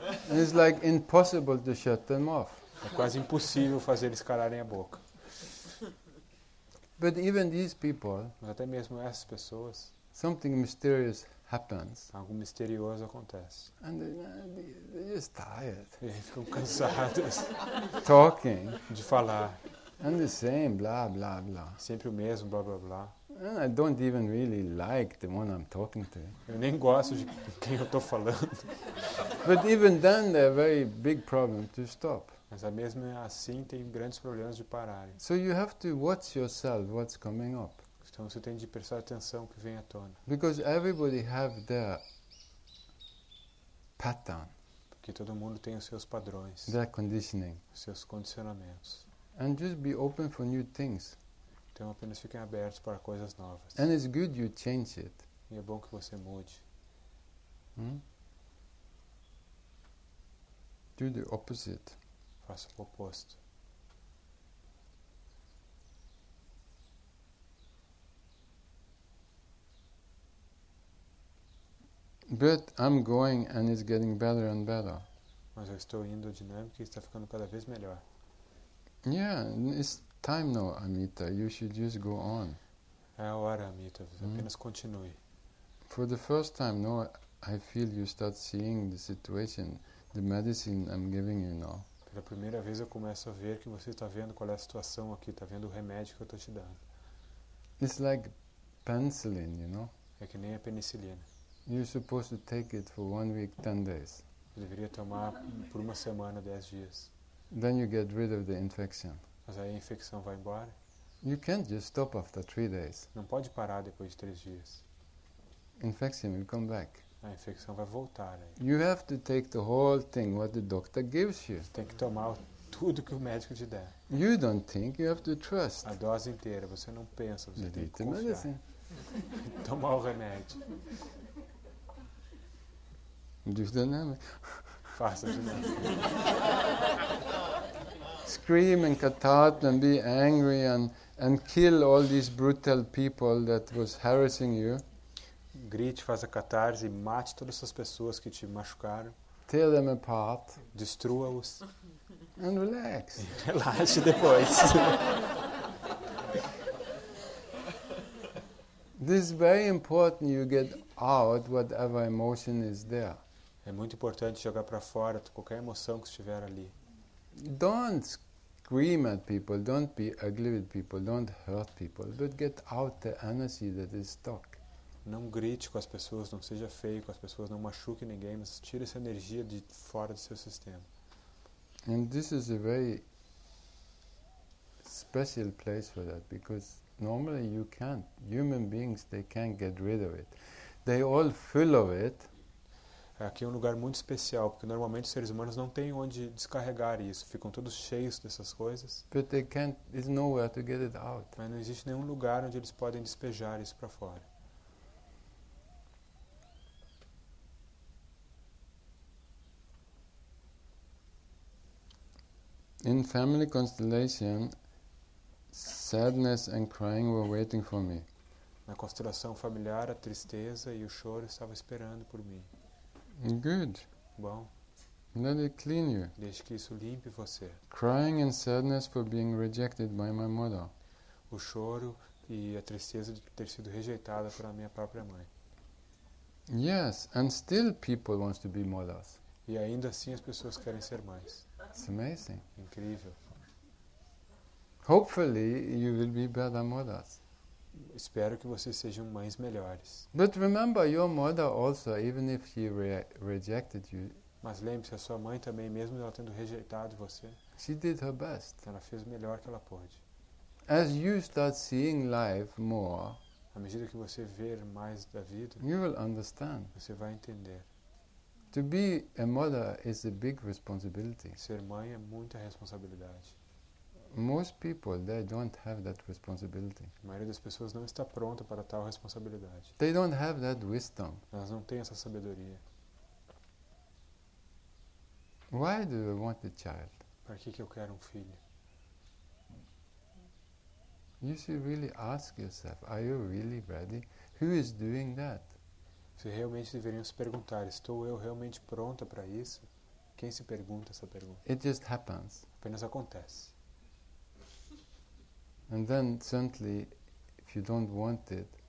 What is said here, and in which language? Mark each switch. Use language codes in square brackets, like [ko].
[en] It's like impossible to shut them off. [pt] É quase impossível fazer eles calarem a boca. [en] But even these people, [pt] mas até mesmo essas pessoas, [en] something mysterious happens. [pt] Algo misterioso acontece. [en] And they're just tired. [pt] E eles ficam cansados. [en] Talking. [pt] De falar. [en] And the same, blah, blah, blah. [pt] Sempre o mesmo, blah, blah, blah. [en] And I don't even really like the one I'm talking to. [pt] Eu nem gosto de quem eu tô falando. [en] But even then, there are very big problems to stop. [pt] Mas mesmo assim tem grandes problemas de pararem. [en] So you have to watch yourself what's coming up. [pt] Então você tem de prestar atenção que vem à tona. [en] Because everybody have their pattern. [pt] Porque todo mundo tem os seus padrões. [en] Their conditioning. [pt] Os seus condicionamentos. [en] And just be open for new things. [pt] Então apenas fiquem abertos para coisas novas. [en] And it's good you change it. [pt] E é bom que você mude. [en] Do the opposite. [pt] Faça o oposto. [en] But I'm going and it's getting better and better. [pt] Mas eu estou indo dinâmico e está ficando cada vez melhor. [en] Yeah, it's time now, Amita. You should just go on. [pt] É a hora, Amita. Você apenas continue. [en] For the first time now, I feel you start seeing the situation, the medicine I'm giving you now. [pt] Pela primeira vez eu começo a ver que você está vendo qual é a situação aqui, está vendo o remédio que eu estou te dando. [en] It's like penicillin, you know? [pt] É que nem a penicilina. [en] You're supposed to take it for 1 week, 10 days. [pt] Eu deveria tomar por uma semana, 10 dias. [en] Then you get rid of the infection. [pt] Mas aí a infecção vai embora. [en] You can't just stop after 3 days. [pt] Não pode parar depois de 3 dias. [en] Infection will come back. [pt] A infecção vai voltar. Aí. [en] You have to take the whole thing what the doctor gives you. [pt] Tem que tomar tudo que o médico te der. [en] You don't think, you have to trust. [pt] A dose inteira, você não pensa, você [en] you [pt] tem que confiar. Tomar o remédio. [en] Do dynamic. [pt] Faça dynamic. [en] Scream and cut out and be angry and kill all these brutal people that was harassing you. [pt] Grite, faça catarse e mate todas essas pessoas que te machucaram. [en] Tear them apart. [pt] Destrua-os. [en] And relax. [pt] Relaxe depois. [en] This is very important you get out whatever emotion is there. [pt] É muito importante jogar para fora qualquer emoção que estiver ali. [en] Don't scream at people, don't be ugly with people, don't hurt people, but get out the energy that is stuck. [pt] Não grite com as pessoas, não seja feio com as pessoas, não machuque ninguém, mas tire essa energia de fora do seu sistema. [en] And this is a very special place for that, because normally you can't. Human beings, they can't get rid of it. They all full of it. [pt] Aqui é um lugar muito especial, porque normalmente os seres humanos não têm onde descarregar isso. Ficam todos cheios dessas coisas. [en] But they can't, there's nowhere to get it out. [pt] Mas não existe nenhum lugar onde eles podem despejar isso para fora. [en] In family constellation, sadness and crying were waiting for me. [pt] Na constelação familiar, a tristeza e o choro estavam esperando por mim. [en] Good. [pt] Bom. [en] Let it clean you. [pt] Deixe que isso limpe você. [en] Crying and sadness for being rejected by my mother. [pt] O choro e a tristeza de ter sido rejeitada pela minha própria mãe. [en] Yes, and still people want to be mothers. [pt] E ainda assim as pessoas querem ser mães. [en] It's amazing. [pt] Incrível. [en] Hopefully you will be better mothers. [pt] Espero que vocês sejam mães melhores. [en] But remember, your mother also, even if she rejected you. [pt] Mas lembre-se, a sua mãe também, mesmo ela tendo rejeitado você. [en] She did her best. [pt] Ela fez o melhor que ela pôde. [en] As you start seeing life more. [pt] À medida que você ver mais da vida. [en] You will understand. [pt] Você vai entender. [en] To be a mother is a big responsibility. [pt] Ser mãe é muita responsabilidade. [en] Most people, they don't have that responsibility. [pt] A maioria das pessoas não está pronta para tal responsabilidade. [en] They don't have that wisdom. [pt] Elas não têm essa sabedoria. [en] Why do you want a child? [pt] Para que eu quero um filho? [en] You should really ask yourself, are you really ready? Who is doing that? [pt] Você realmente deveria se perguntar, estou eu realmente pronta para isso? Quem se pergunta essa pergunta? [en] It just happens. [pt] Apenas acontece. [en] And then suddenly, if you don't want it,